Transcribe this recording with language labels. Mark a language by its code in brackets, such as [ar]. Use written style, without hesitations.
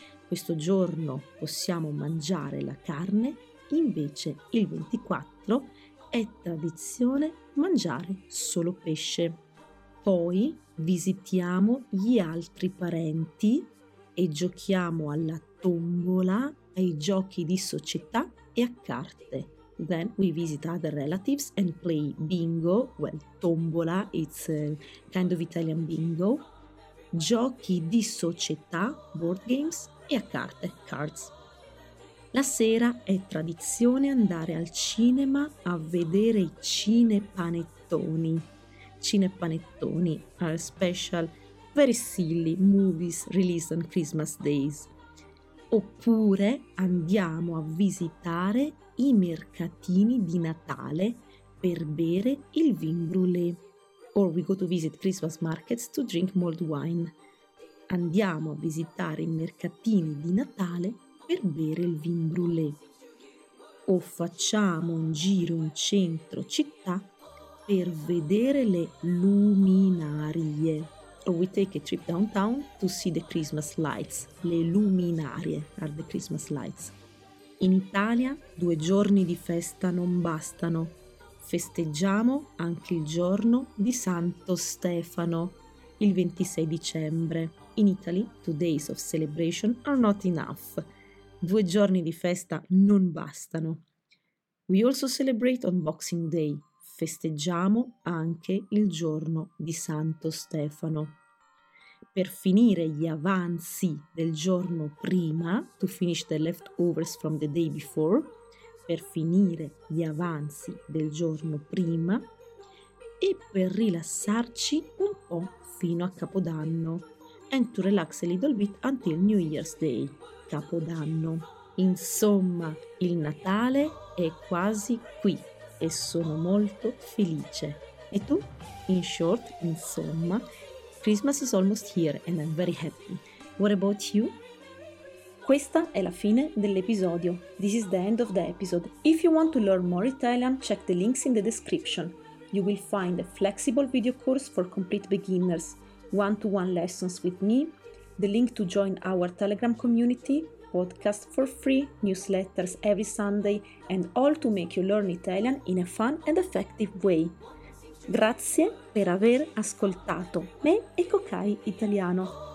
[it] Questo giorno possiamo mangiare la carne, invece il 24 è tradizione mangiare solo pesce. Poi visitiamo gli altri parenti e giochiamo alla tombola, ai giochi di società e a carte. [en] Then we visit other relatives and play bingo, well, tombola, it's a kind of Italian bingo, [it] giochi di società, [en] board games, [it] e a carte, [en] cards. [it] La sera è tradizione andare al cinema a vedere i cinepanettoni. [en] Cinepanettoni are special, very silly movies released on Christmas days. [it] Oppure andiamo a visitare i mercatini di Natale per bere il vin brûlé. [en] or we go to visit Christmas markets to drink mulled wine. [it] Andiamo a visitare i mercatini di Natale per bere il vin brûlé. O facciamo un giro in centro città per vedere le luminarie. [en] Or we take a trip downtown to see the Christmas lights. Le luminarie are the Christmas lights. [it] In Italia due giorni di festa non bastano. Festeggiamo anche il giorno di Santo Stefano, il 26 dicembre. [en] In Italy, 2 days of celebration are not enough. [it] Due giorni di festa non bastano. [en] We also celebrate on Boxing Day. [it] Festeggiamo anche il giorno di Santo Stefano. Per finire gli avanzi del giorno prima, [en] to finish the leftovers from the day before, [it] per finire gli avanzi del giorno prima e per rilassarci un po' fino a Capodanno. [en] And to relax a little bit until New Year's Day, Capodanno. [it] Insomma, il Natale è quasi qui e sono molto felice. E tu? [en] In short, insomma, Christmas is almost here and I'm very happy. What about you? [it] Questa è la fine dell'episodio. [en] This is the end of the episode. If you want to learn more Italian, check the links in the description. You will find a flexible video course for complete beginners, one-to-one lessons with me, the link to join our Telegram community, podcast for free, newsletters every Sunday, and all to make you learn Italian in a fun and effective way. [it] Grazie per aver ascoltato me e Cocai Italiano.